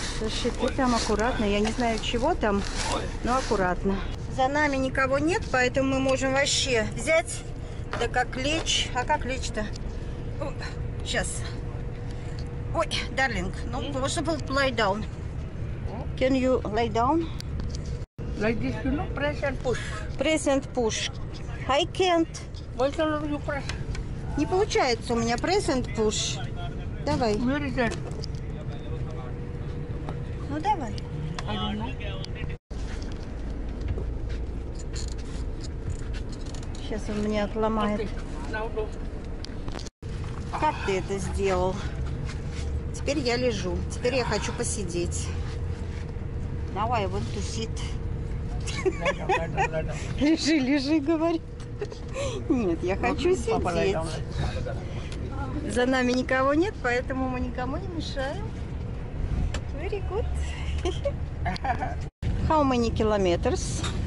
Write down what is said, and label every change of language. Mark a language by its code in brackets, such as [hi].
[ru] Слушай, ты там аккуратно. Я не знаю, чего там, но аккуратно. За нами никого нет, поэтому мы можем вообще взять, да как лечь. А как лечь-то? Сейчас. [en] Ой, darling, ну, possible to lay down. Can you lay down? Like this, you know, press and push. Press and push. I can't. Why can't you press? [ru] Не получается у меня [en] press and push. [ru] Давай. [en] Where is that? [ru] Ну, давай. [en] I don't know. [ru] Сейчас он меня отломает. Как ты это сделал? Теперь я лежу. Теперь я хочу посидеть. [en] Now I want to sit. [ru] Лежи, лежи, говорит. Нет, я хочу сидеть. За нами никого нет, поэтому мы никому не мешаем. [en] Very good. How many kilometers?